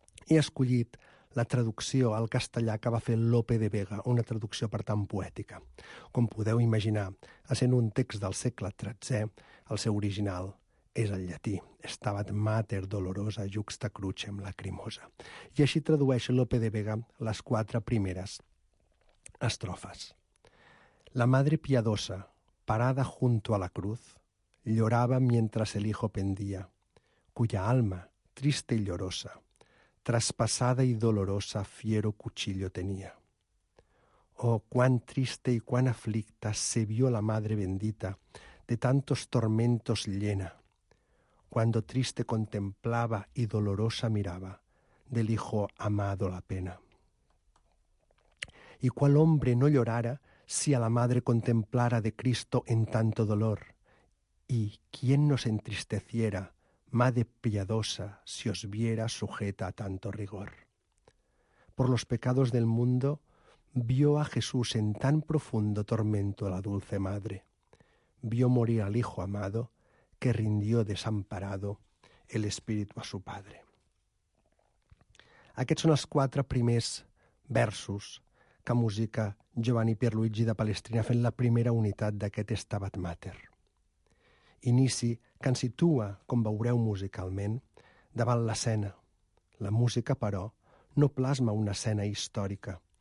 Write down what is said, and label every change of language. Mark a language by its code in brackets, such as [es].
[ca] He escollit la traducció al castellà que va fer Lope de Vega, una traducció per tant poètica. Com podeu imaginar, sent un text del segle XIII, el seu original és el llatí, [la] Stabat Mater Dolorosa Juxta Crucem Lacrimosa. [ca] I així tradueix Lope de Vega les quatre primeres estrofes. [es] La madre piadosa, parada junto a la cruz, lloraba mientras el hijo pendía, cuya alma, triste y llorosa, traspasada y dolorosa, fiero cuchillo tenía. Oh, cuán triste y cuán aflicta se vio la madre bendita de tantos tormentos llena, cuando triste contemplaba y dolorosa miraba del hijo amado la pena. ¿Y cuál hombre no llorara si a la madre contemplara de Cristo en tanto dolor? ¿Y quién nos entristeciera, madre piadosa, si os viera sujeta a tanto rigor? Por los pecados del mundo vio a Jesús en tan profundo tormento a la dulce madre. Vio morir al hijo amado, que rindió desamparado el espíritu a su padre. [ca] Aquests són els quatre primers versos que musica Giovanni Pierluigi da Palestrina fent la primera unitat d'aquest Stabat Mater. Inici que ens situa, com veureu musicalment, davant l'escena. La música, però, no plasma una escena històrica.